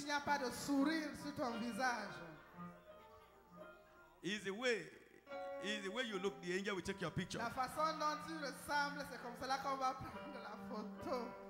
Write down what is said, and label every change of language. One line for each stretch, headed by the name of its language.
French: Il n'y a pas de sourire sur ton visage.
English: Is the way you look, the angel will take your picture.
French: La façon dont tu ressembles, c'est comme cela qu'on va prendre la photo.